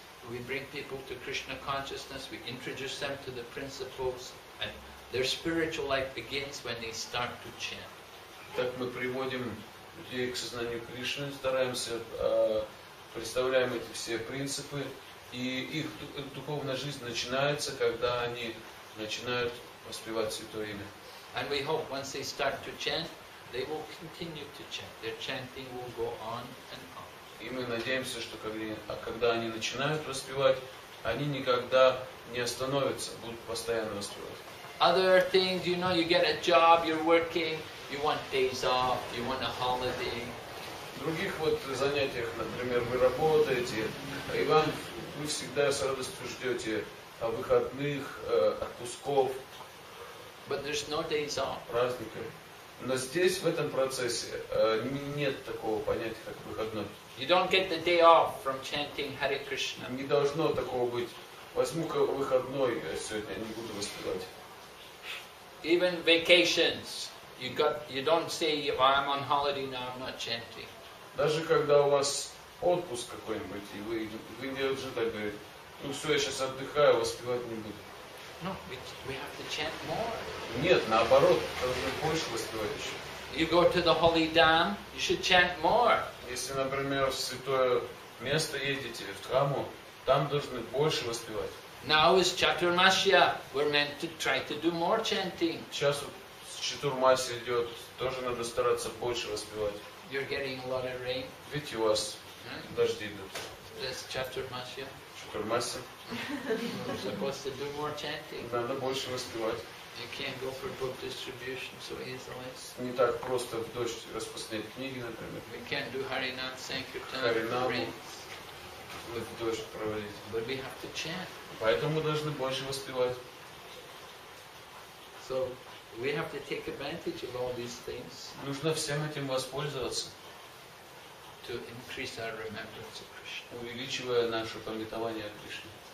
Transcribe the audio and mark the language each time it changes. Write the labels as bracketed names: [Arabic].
[English] We bring people to Krishna consciousness, we introduce them to the principles, and their spiritual life begins when they start to chant. [Russian] Так мы приводим людей к сознанию Кришны, стараемся, представляем эти все принципы, и их духовная жизнь начинается, когда они начинают воспевать Святое Имя. [English] And we hope once they start to chant, they will continue to chant. Their chanting will go on and on. [Russian] И мы надеемся, что когда они начинают воспевать, они никогда не остановятся, будут постоянно воспевать. [English] Other things, you know, you get a job, you're working, you want days off, you want a holiday. [Russian] В других вот занятиях, например, вы работаете, а Иван, вы всегда с радостью ждете выходных, отпусков. [English] But there's no days off. [Russian] Праздника. Но здесь, в этом процессе, нет такого понятия, как выходной. [English] You don't get the day off from chanting Hare Krishna. [Russian] Не должно такого быть. Возьму-ка выходной сегодня, не буду воспевать. [English] Even vacations. You don't say, I'm on holiday now, I'm not chanting. [Russian] Даже когда у вас отпуск какой-нибудь, и вы не должны так говорить, ну все, я сейчас отдыхаю, воспевать не буду. [English] No, we have to chant more. [Russian] Нет, наоборот, должны больше воспевать еще. [English] You go to the holy dham, you should chant more. [Russian] Если, например, в святое место едете, в храму, там должны больше воспевать. [English] Now is Chaturmasya. We're meant to try to do more chanting. [Russian] Сейчас Чатурмасия идет, тоже надо стараться больше воспевать. [English] You're getting a lot of rain. [Russian] Ведь у вас дожди идут. [English] That's Chaturmasya. [Russian] Чатурмасия. [English] We're supposed to do more chanting. [Russian] Надо больше воспевать. [English] You can't go for book distribution so easily. [Russian] Не так просто в дождь распространять книги, например. [English] We can't do Harinam Sankirtan in the rain. [Russian] В дождь проводить. [English] But we have to chant. [Russian] Поэтому должны больше воспевать. [English] So we have to take advantage of all these things. [Russian] Нужно всем этим воспользоваться. [English] To increase our remembrance of Krishna. [Russian] Увеличивая наше памятование о Кришне.